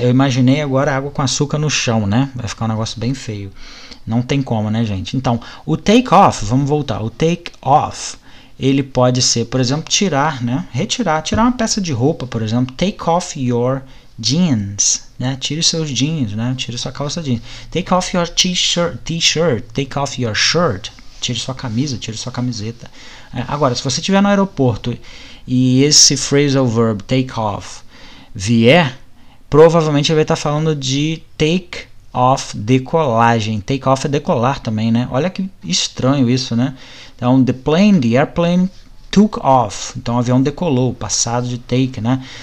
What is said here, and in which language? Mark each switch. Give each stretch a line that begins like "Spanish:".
Portuguese: Eu imaginei agora água com açúcar no chão, né? Vai ficar um negócio bem feio. Não tem como, né, gente? Então, o take off, vamos voltar. O take off, ele pode ser, por exemplo, tirar, né? Retirar, tirar uma peça de roupa, por exemplo.
English: Take off your jeans,
Portuguese: né? Tire seus jeans, né? Tire sua calça jeans.
English: Take off your t-shirt, take off your shirt.
Portuguese: Tire sua camisa, tire sua camiseta. Agora, se você estiver no aeroporto e esse phrasal verb, take off, vier, provavelmente ele vai estar falando de take off, decolagem. Take off é decolar também, né? Olha que estranho isso, né? Então,
English: the plane, the airplane took off.
Portuguese: Então, o avião decolou, passado de take, né?